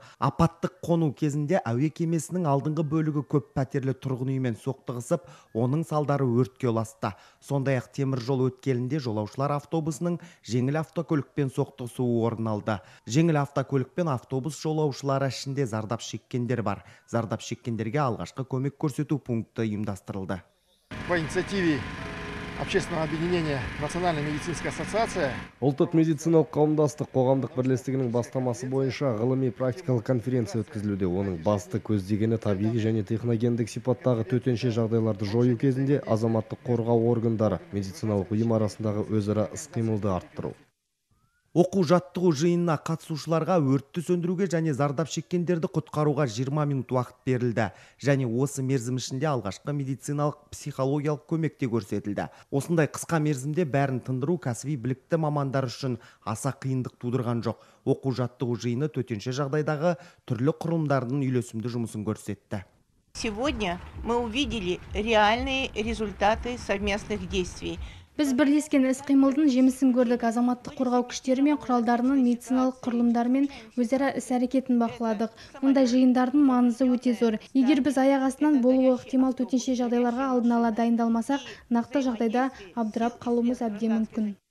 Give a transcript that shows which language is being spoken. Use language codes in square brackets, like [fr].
[kk] Апаттық қону кезінде әуе кемесінің алдыңғы бөлігі көп пәтерлі тұрғын үймен соқтығысып, оның салдары өртке ұласты. Сондай-ақ темір жол өткелінде жолаушылар автобусының жеңіл автокөлікпен соқтығысуы орын алды. Жеңіл автокөлікпен автобус жолаушылары ішінде зардап шеккендер бар. Зардап шеккендерге алғашқы көмек көрсету пункті ұйымдастырылды. [ru] По инициативе общественного объединения Национальная медицинская ассоциация. [kk] Ұлттық медициналық қауымдастық қоғамдық бірлестігінің бастамасы бойынша ғылыми-практикалық конференция өткізілуде. Оның басты көздегені табиғи және техногендік сипаттағы төтенше жағдайларды жою кезінде азаматтық қорғау органдары медициналық ұйым арасындағы өзара іс-қимылды арттыру. Оқу-жаттығу жиынына қатысушыларға өртті сөндіруге және зардап шеккендерді құтқаруға 20 минут уақыт берілді. Және осы мерзім ішінде алғашқы медициналық, психологиялық көмекте көрсетілді. Осындай қысқа мерзімде бәрін тындыру кәсіби білікті мамандар үшін аса қиындық тудырған жоқ. Оқу-жаттығу жиыны төтенше жағдайдағы түрлі құрылымдардың үйлесімді жұмысын көрсетті. [ru] Сегодня мы увидели реальные результаты совместных действий. [kk] Біз бірлескен іс-қимылдың жемісін көрдік. Азаматтық қорғау күштері мен құралдарының медициналық құрылымдарымен өзара іс-әрекетін бақыладық. Мұндай жиындардың маңызы өте зор. Егер біз аяқ астынан болуы ықтимал төтенше жағдайларға алдын ала дайындалмасақ, нақты жағдайда абдырап қалуымыз әбден мүмкін.